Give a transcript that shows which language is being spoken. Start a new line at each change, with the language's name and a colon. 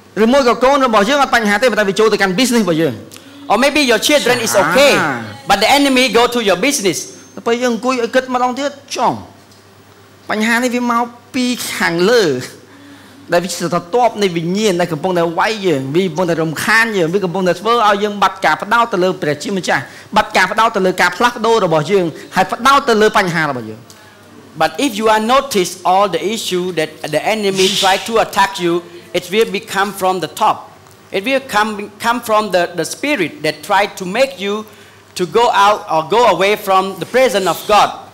Khmer: ឬមកកូនរបស់យើងអត់បញ្ហាទេតែវាចូលទៅកាន់ business របស់យើង
English: Or maybe your children is okay but the enemy go to your business
Khmer: ទៅយើងអង្គុយឲ្យគិតម្ដងទៀតចំបញ្ហានេះវាមកពីខាងលើដែលវាស្ថិតតបនៃវិញ្ញាណដែលកំពុងតែវាយយើងវាកំពុងតែរំខានយើងវាកំពុងតែធ្វើឲ្យយើងបាត់ការផ្ដោតទៅលើព្រះជាម្ចាស់បាត់ការផ្ដោតទៅលើការផ្លាស់ប្ដូររបស់យើងហើយផ្ដោតទៅលើបញ្ហារបស់យើង
English: But if you are notice all the issue that the enemy try to attack you it will become from the top. It will come from the spirit that tried to make you to go out or go away from the presence of God.